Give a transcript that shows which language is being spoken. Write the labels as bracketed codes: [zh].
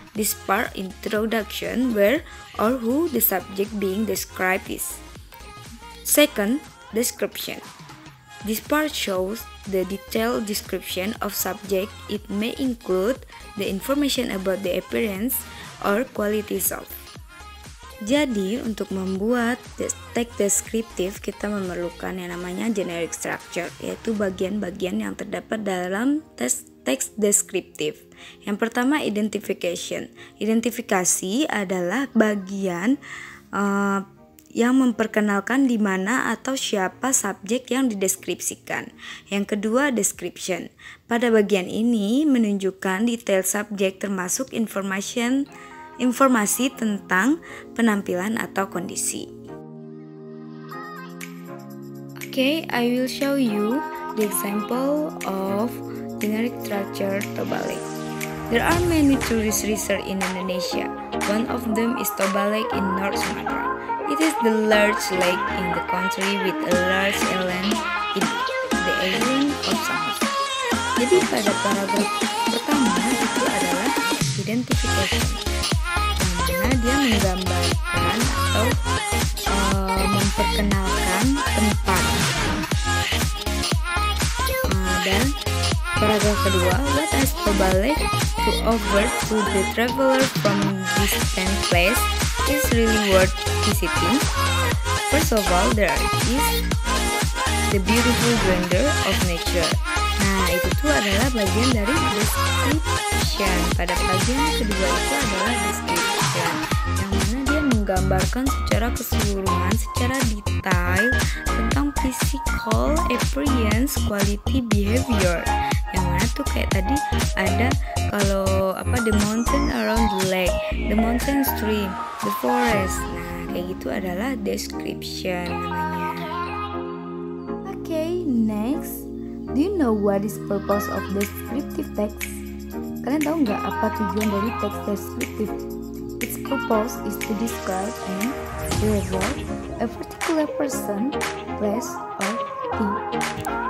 [en] This part introduction where or who the subject being described is. Second, description. This part shows the detailed description of subject. It may include the information about the appearance or qualities of. [id] Jadi, untuk membuat text descriptive, kita memerlukan yang namanya generic structure, yaitu bagian-bagian yang terdapat dalam text descriptive. Yang pertama, identification. Identifikasi adalah bagian yang memperkenalkan di mana atau siapa subjek yang dideskripsikan. Yang kedua, description. Pada bagian ini menunjukkan detail subjek termasuk informasi tentang penampilan atau kondisi. [en] Okay, I will show you the example of generic structure Tobalik. There are many tourist resort in Indonesia. One of them is Tobalik in North Sumatra. It is the large lake in the country with a large island in the island of Samosa. [id] Jadi pada paragraf pertama itu adalah identification. Dimana dia menggambarkan atau memperkenalkan tempat. Dan paragraf kedua, [en] what is Tobalik to offer to the traveler from distant place? It's really worth visiting. First of all, there is the beautiful wonder of nature. [id] Nah, itu tuh adalah bagian dari description. Pada bagian kedua itu adalah description, yang mana dia menggambarkan secara keseluruhan, secara detail tentang [en] physical appearance, quality, behavior. [id] Yang mana tuh kayak tadi ada kalau apa [en] the mountain around the lake, the mountain stream, the forest. [id] Nah, kayak gitu adalah description namanya. [en] Okay, next. Do you know what is purpose of descriptive text? [id] Kalian tahu enggak apa tujuan dari teks descriptive? [en] Its purpose is to describe and describe a particular person, place, or thing.